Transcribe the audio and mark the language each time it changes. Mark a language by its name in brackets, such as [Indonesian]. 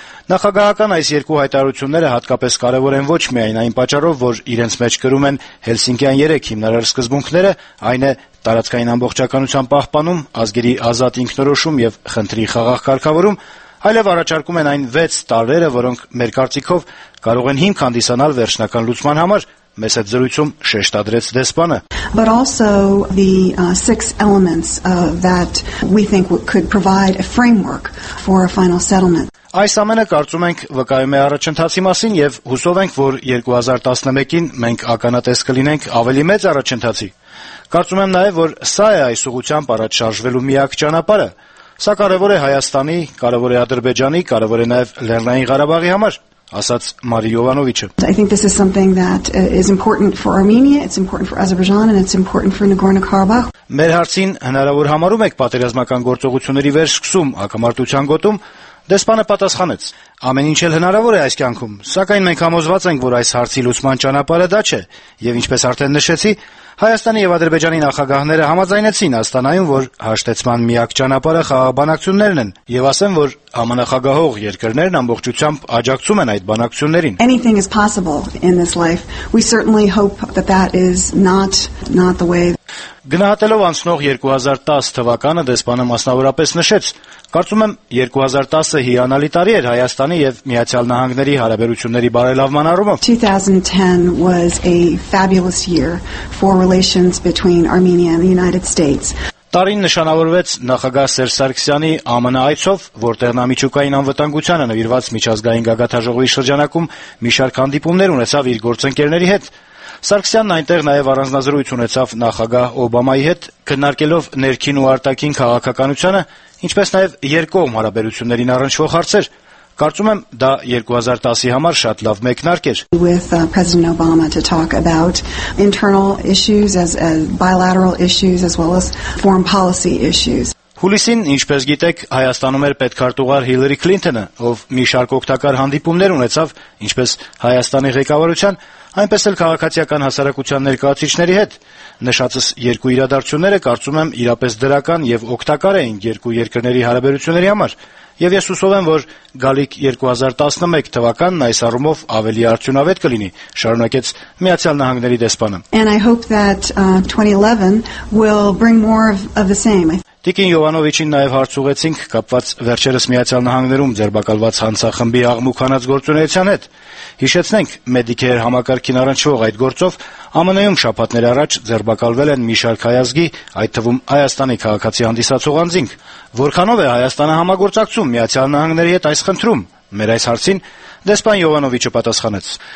[Armenian] Նախագահական այս երկու հայտարարությունները հատկապես կարևոր են ոչ միայն այն պատճառով, որ իրենց մեջ կրում են Հելսինկյան 3 հիմնարար սկզբունքները, այն է տարածքային ամբողջականության պահպանում, ազգերի ազատ ինքնորոշում և խնդրի խաղաղ կարգավորում, այլև առաջարկում են այն 6 տարերը, որոնք մեր կարծիքով կարող են հիմք հանդիսանալ վերջնական լուծման համար, մեզ հետ զրույցում շեշտադրեց դեսպանը։ [English] But also the six elements that we think could provide a framework for a final settlement. [Armenian] Այս ամենը կարծում ենք վկայում է առաջընթացի մասին եւ հուսով ենք, որ 2011-ին մենք ականատես կլինենք ավելի մեծ առաջընթացի։ Կարծում եմ նաեւ, որ սա է այս ուղությամբ առաջ շարժվելու միակ ճանապարհը։ Սա կարևոր է Հայաստանի, կարևոր է Ադրբեջանի, կարևոր է նաեւ Լեռնային Ղարաբաղի համար, ասաց Մարի Յովանովիչը։ [English] I think this is something that is important for Armenia, it's important for Azerbaijan and it's important for Nagorno-Karabakh. [Armenian] Մեր հարցին հնարավոր համարում եք պատերազմական գործողությունների վերսկսում ակամարտության գոտում։ Դեսպանը պատասխանեց. Ամեն ինչ էլ հնարավոր է այս կյանքում, սակայն մենք համոզված ենք, որ այս հարցի լուծման ճանապարհը դա չէ, եւ ինչպես արդեն նշեցի, Հայաստանի եւ Ադրբեջանի նախագահները համաձայնեցին Աստանայում, որ հաշտեցման միակ ճանապարհը խաղաբանակցություններն են, եւ ասեմ, որ համանախագահող երկրներն ամբողջությամբ աջակցում են այդ բանակցություններին. [English] Anything is possible in this life. We certainly hope that that is not the way. [Armenian] Գնահատելով անցնող 2010 թվականը, դեսպանը մասնավորապես նշեց. Կարծում եմ 2010-ը հիանալի տարի էր Հայաստանի եւ Միացյալ Նահանգների հարաբերությունների բարելավման առումով։ [English] 2010 was a fabulous year for relations between Armenia and the United States. [Armenian] Տարին նշանավորվեց նախագահ Սերժ Սարգսյանի ԱՄՆ-ից, որտեղ նա միջուկային անվտանգությանը նվիրված միջազգային գագաթաժողովի շրջանակում մի շարք հանդիպումներ ունեցավ իր գործընկերների հետ։ Սարգսյանն այնտեղ նաև առանձնազրույց ունեցավ նախագահ Օբամայի հետ, քննարկելով ներքին ու արտաքին քաղաքականությունը, ինչպես նաև երկկողմ հարաբերություններին առնչվող հարցեր։ Կարծում եմ, դա 2010-ի համար շատ լավ մեկնարկ էր։ [English] With President Obama to talk about internal issues as bilateral issues as well as foreign policy issues. [Armenian] Հուլիսին, ինչպես գիտեք, Հայաստանում էր պետքարտուղար Հիլերի Քլինթոնը, ով մի շարք օգտակար հանդիպումներ ունեցավ, ինչպես Հայաստանի ղեկավարության, այնպես էլ քաղաքացիական հասարակության ներկայացուցիչների հետ։ Նշածս երկու իրադարձությունները, կարծում եմ, իրապես դրական եւ օգտակար էին երկու երկրների հարաբերությունների համար։ Եվ ես հուսով եմ, որ գալիք 2011 թվականն այս առումով ավելի արդյունավետ կլինի, շարունակեց Միացյալ Նահանգների դեսպանը։ [English] And I hope that 2011 will bring more of the same. [Armenian] Տիկին Յովանովիչին նաև հարցուղեցինք կապված վերջերս Միացյալ Նահանգներում ձերբակալված հանցախմբի աղմուկանաց գործունեության հետ։ Հիշեցնենք, Մեդիքեր համակարգին առնչվող այդ գործով ԱՄՆ-ում շաբաթներ առաջ ձերբակալվել են մի շարք հայազգի, այդ թվում Հայաստանի քաղաքացի հանդիսացող անձինք։ Որքանով է Հայաստանը համագործակցում Միացյալ Նահանգների հետ այս խնդրում։ Մեր այս հարցին դեսպան Յովանովիչը պատասխանեց.